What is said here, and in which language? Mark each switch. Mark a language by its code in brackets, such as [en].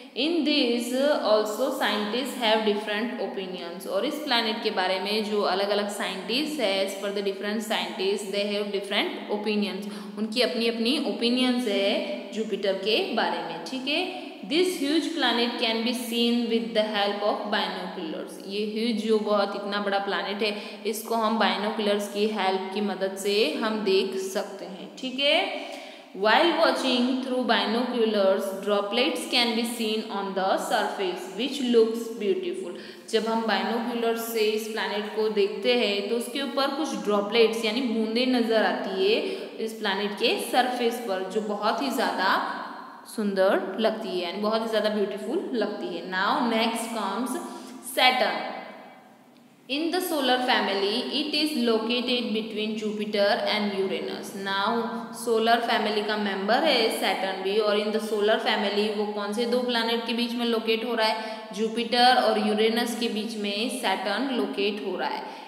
[en] in this also scientist have different opinions, [hi] और इस planet के बारे में जो अलग अलग साइंटिस्ट है, [en] as per the different scientist they have different opinions, [hi] उनकी अपनी अपनी ओपिनियंस है जुपिटर के बारे में. ठीक है. [en] This huge planet can be seen with the help of binoculars. [hi] ये ह्यूज जो बहुत इतना बड़ा प्लानट है इसको हम बायनोकुलर्स की हेल्प की मदद से हम देख सकते हैं. ठीक है. [en] While watching through binoculars, droplets can be seen on the surface, which looks beautiful. [hi] जब हम binoculars से इस planet को देखते हैं तो उसके ऊपर कुछ droplets यानी बूंदे नज़र आती है इस planet के surface पर, जो बहुत ही ज़्यादा सुंदर लगती है यानी बहुत ही ज़्यादा beautiful लगती है. [en] Now next comes Saturn. In the solar family, it is located between Jupiter and Uranus. [hi] Now, solar family का member है Saturn भी, और [en] in the solar family [hi] वो कौन से दो planet के बीच में locate हो रहा है? Jupiter और Uranus के बीच में Saturn locate हो रहा है.